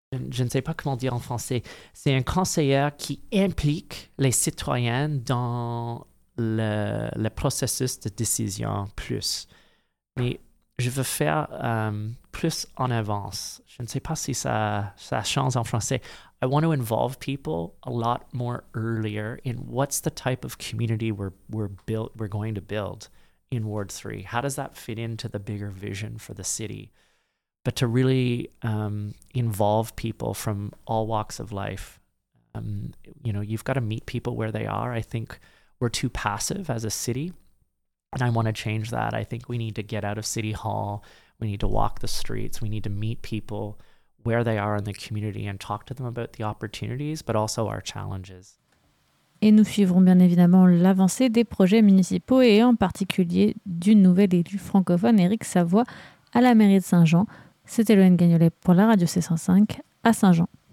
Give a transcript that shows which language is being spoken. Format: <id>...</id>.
<fr>Je ne sais pas comment dire en français. C'est un conseiller qui implique les citoyens dans le processus de décision plus. Mais je veux faire plus en avance. Je ne sais pas si ça change en français.</fr> <en>I want to involve people a lot more earlier in what's the type of community we're going to build in Ward 3. How does that fit into the bigger vision for the city? But to really involve people from all walks of life. You know, you've got to meet people where they are. I think we're too passive as a city. And I want to change that. I think we need to get out of City Hall. We need to walk the streets. We need to meet people where they are in the community and talk to them about the opportunities, but also our challenges.</en> <fr>Et nous suivrons bien évidemment l'avancée des projets municipaux et en particulier du nouvel élu francophone Éric Savoie à la mairie de Saint-Jean. C'était Loïc Gagnolet pour la Radio C105 à Saint-Jean.</fr>